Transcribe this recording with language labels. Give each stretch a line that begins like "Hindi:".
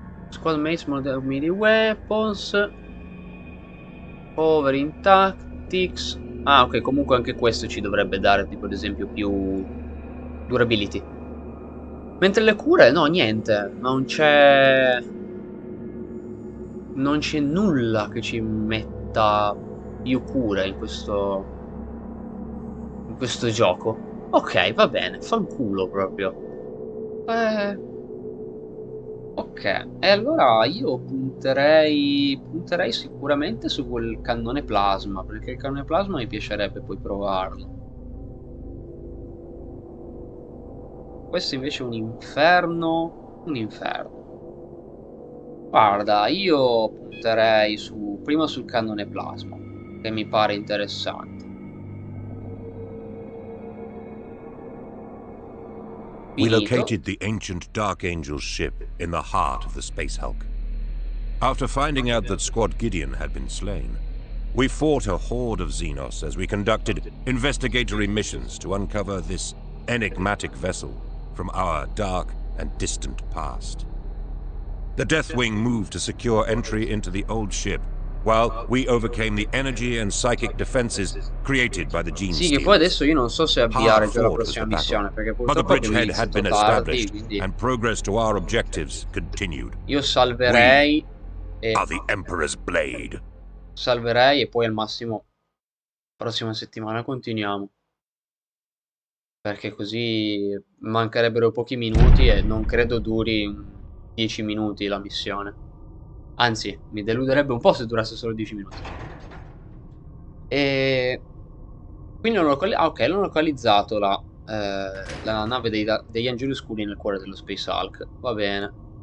English: Squadmates, melee weapons. Over in tactics.
Italian: Ah, ok, comunque anche questo ci dovrebbe dare, tipo ad esempio, più durability. Mentre le cure, no, niente. Non c'è... non c'è nulla che ci metta più cure in questo... in questo gioco. Ok, va bene, fanculo proprio. Ok, e allora io punterei sicuramente su quel cannone plasma, perché il cannone plasma mi piacerebbe poi provarlo. Questo invece è un inferno, un inferno. Guarda, io punterei su prima sul cannone plasma, che mi pare interessante.
English: We located the ancient Dark Angel ship in the heart of the Space Hulk. After finding out that Squad Gideon had been slain, we fought a horde of Xenos as we conducted investigatory missions to uncover this enigmatic vessel from our dark and distant past. The Deathwing moved to secure entry into the old ship, while we overcame the energy and psychic defenses created by the gene
Italian: stealers. Sì, che poi adesso io non so se avviare già la prossima missione, perché purtroppo
English: the bridgehead had been established and progress to our objectives continued.
Italian: Io salverei
English: e the Emperor's Blade.
Italian: Salverei e poi al massimo prossima settimana continuiamo. Perché così mancherebbero pochi minuti e non credo duri 10 minuti la missione. Anzi, mi deluderebbe un po' se durasse solo 10 minuti. E quindi l'ho localizzato la nave degli angeli oscuri nel cuore dello Space Hulk. Va bene.